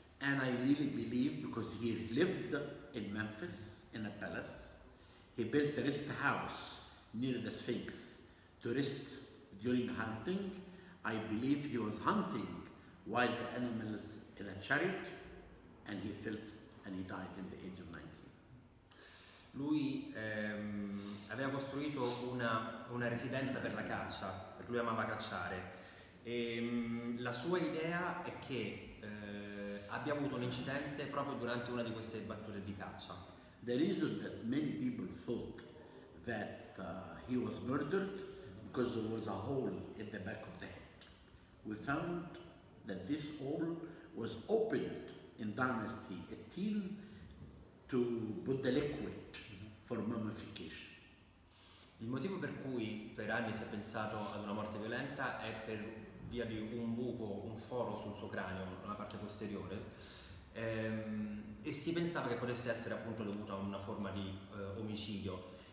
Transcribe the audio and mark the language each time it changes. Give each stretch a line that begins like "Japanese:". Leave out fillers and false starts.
English: And I really believe, because he lived in Memphis in a palace, he built a rest house near the Sphinx to rest during hunting. I believe he was hunting wild animals in a chariot, and he felt and he died in the age of 19.
Italian: Lui aveva costruito una residenza per la caccia, perché lui amava cacciare. E la sua idea è che abbia avuto un incidente proprio durante una di queste battute di caccia.
English: The reason that many people thought that he was murdered because there was a hole in the back of the head. We found that this hole was opened in dynasty 18 to put the liquid for mummification.
Italian: Il motivo per cui per anni si è pensato ad una morte violenta è per via di un buco, un foro sul suo cranio, nella parte posteriore, e si pensava che potesse essere appunto dovuto a una forma di omicidio.